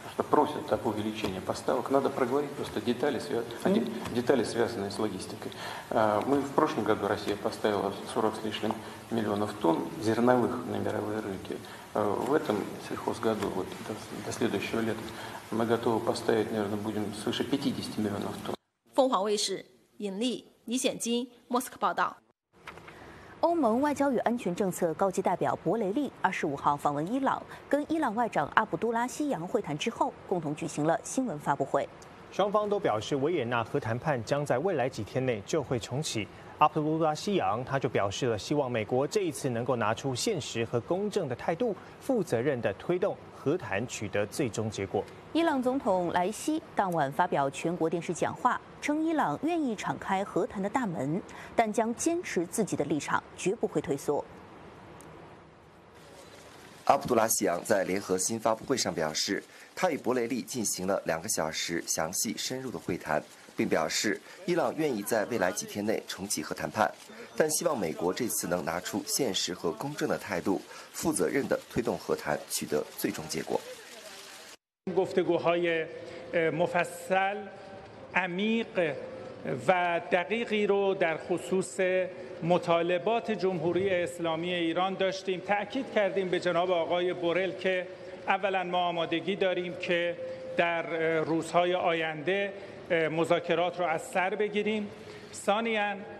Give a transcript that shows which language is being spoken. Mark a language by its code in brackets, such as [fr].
[ru] просят об увеличении поставок, надо проговорить просто детали, связанные с логистикой. Мы в прошлом году, Россия поставила 40 с лишним миллионов тонн зерновых на мировые рынки. В этом сельхозгоду, вот, до следующего лета, мы готовы поставить, наверное, будем свыше 50 миллионов тонн. [zh] 凤凰卫视尹丽、李显金、莫斯科报道。欧盟外交与安全政策高级代表博雷利25号访问伊朗，跟伊朗外长阿卜杜拉西扬会谈之后，共同举行了新闻发布会。双方都表示，维也纳核谈判将在未来几天内就会重启。阿卜杜拉西扬他就表示了，希望美国这一次能够拿出现实和公正的态度，负责任地推动和谈取得最终结果。伊朗总统莱西当晚发表全国电视讲话，称伊朗愿意敞开和谈的大门，但将坚持自己的立场，绝不会退缩。阿卜杜拉西扬在联合新发布会上表示，他与博雷利进行了2个小时详细深入的会谈，并表示伊朗愿意在未来几天内重启核谈判，但希望美国这次能拿出现实和公正的态度，负责任地推动和谈取得最终结果。 [fa] گفتگوهای مفصل عمیق و دقیقی رو در خصوص مطالبات جمهوری اسلامی ایران داشتیم تأکید کردیم به جناب آقای بورل که اولا ما آمادگی داریم که در روزهای آینده مذاکرات رو از سر بگیریم ثانیا